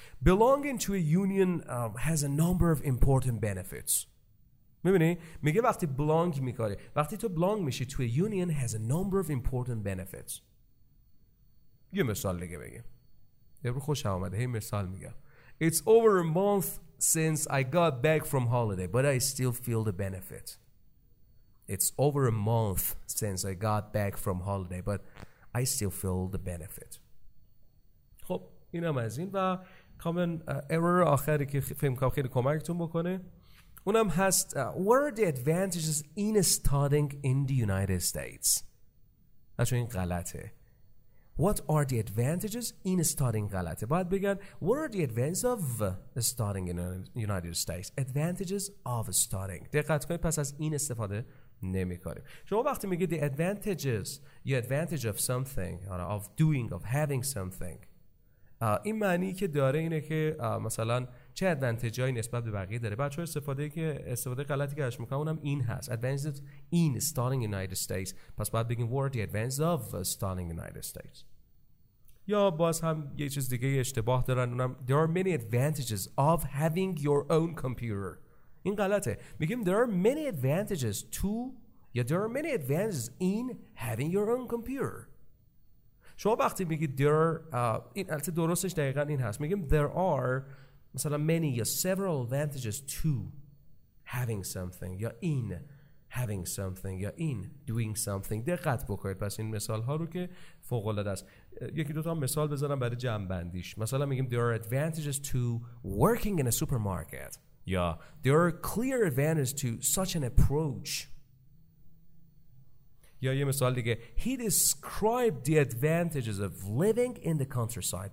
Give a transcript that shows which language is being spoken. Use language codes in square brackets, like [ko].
[en] Belonging to a union has a number of important benefits. [fa] میبینی؟ میگه وقتی belong میکاری، وقتی تو belong میشی [en] to a union has a number of important benefits. [fa] یه مثال دیگه بگیم. یه برو خوش آمده، هی مثال میگم. [en] It's over a month since I got back from holiday, but I still feel the benefit. It's over a month since I got back from holiday, but I still feel the benefit. [fa] خب اینم از این. و common error آخری که فکر می‌کنم خیلی کمکتون بکنه اونم هست، [en] what are the advantages in studying in the United States? [fa] چون این غلطه. [en] What are the advantages in studying [fa] غلطه. باید بگن [en] what are the advantages of studying in the United States. Advantages of studying. [fa] دقت کنید، پس از این استفاده نمی کنیم. شما وقتی میگید the advantages یا [en] advantage of something or of doing of having something، [fa] این معنی که داره اینه که مثلا چه advantage هایی نسبت به بقیه داره. بچه های استفاده غلطی که داشت میکنم اونم این هست، [en] advantages in studying United States. [fa] پس باید بگیم [en] what are the advantages of studying United States. [fa] یا باز هم یه چیز دیگه اشتباه دارن اونم، [en] there are many advantages of having your own computer. [fa] این غلطه. میگیم [en] there are many advantages to یا there are many advantages in having your own computer. [fa] شما وقتی میگید there این البته درستش دقیقا این هست، میگیم there are مثلا many یا [en] several advantages to having something [fa] یا in having something یا in doing something. دقت بکنید پس این مثال ها رو که فوق العاده است. یکی دوتا مثال بذارم برای جمع بندیش. مثلا میگیم [en] there are advantages to working in a supermarket. Yeah, there are clear advantages to such an approach. [fa] Yeah, یه مثال دیگه. [en] He described the advantages of living in the countryside.